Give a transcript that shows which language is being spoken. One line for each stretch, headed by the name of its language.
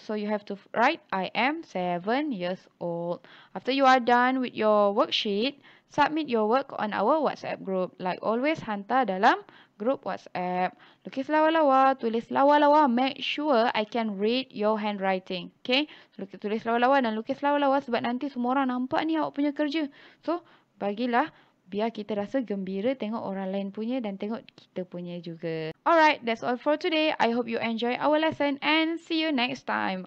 English: So, you have to write, I am 7 years old. After you are done with your worksheet, submit your work on our WhatsApp group. Like always,
Malay: hantar dalam group WhatsApp. Lukis lawa-lawa, tulis lawa-lawa.
English: Make sure I can read your handwriting.
Malay: Okay? Tulis lawa-lawa dan lukis lawa-lawa sebab nanti semua orang nampak ni awak punya kerja. So, bagilah biar kita rasa gembira tengok orang lain punya dan tengok kita punya juga.
English: Alright, that's all for today. I hope you enjoy our lesson and see you next time.